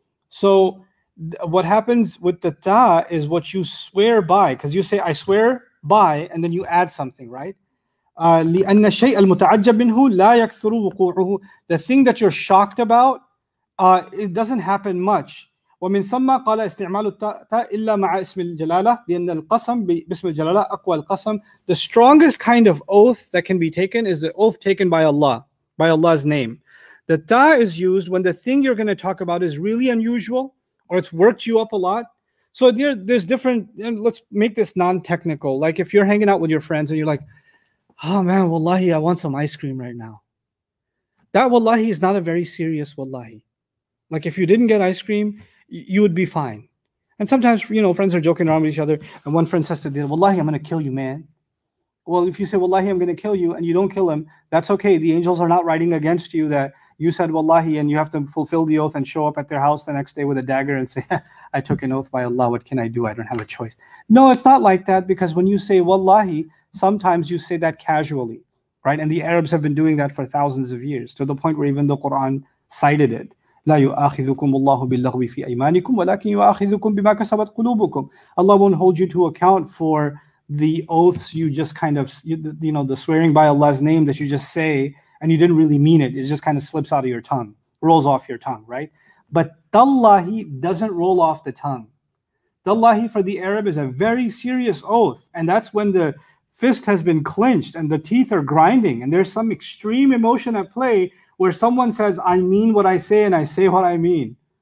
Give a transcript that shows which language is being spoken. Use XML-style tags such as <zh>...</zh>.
<en>So what happens with the ta is what you swear by, because you say I swear by and then you add something, right?</en> <ar>لِأَنَّ الشَّيْءَ الْمُتَعَجَّبْ مِنْهُ لَا يَكْثُرُ وُقُوعُهُ.</ar> <en>The thing that you're shocked about, it doesn't happen much.</en> <ar>ومن ثم قال استعمال التاء إلا مع اسم الجلالة لأن القسم باسم الجلالة أقوى القسم.</ar> <en>The strongest kind of oath that can be taken is the oath taken by Allah, by Allah's name. The تاء is used when the thing you're going to talk about is really unusual or it's worked you up a lot. So there's different, and let's make this non-technical. Like if you're hanging out with your friends and you're like, oh man, wallahi, I want some ice cream right now. That wallahi is not a very serious wallahi. Like if you didn't get ice cream, you would be fine. And sometimes, you know, friends are joking around with each other and one friend says to the other, wallahi, I'm going to kill you, man. Well, if you say, wallahi, I'm going to kill you and you don't kill him, that's okay. The angels are not writing against you that you said wallahi and you have to fulfill the oath and show up at their house the next day with a dagger and say, I took an oath by Allah, what can I do? I don't have a choice. No, it's not like that, because when you say wallahi, sometimes you say that casually, right? And the Arabs have been doing that for thousands of years to the point where even the Quran cited it.</en> <ar>لا يؤاخذكم الله باللغو في أيمانكم ولكن يؤاخذكم بما كسبت قلوبكم.</ar> <en>Allah won't hold you to account for the oaths you just kind of, you know, the swearing by Allah's name that you just say and you didn't really mean it. It just kind of slips out of your tongue, rolls off your tongue, right? But tallahi doesn't roll off the tongue. Tallahi for the Arab is a very serious oath, and that's when the fist has been clenched and the teeth are grinding and there's some extreme emotion at play where someone says, I mean what I say and I say what I mean.</en>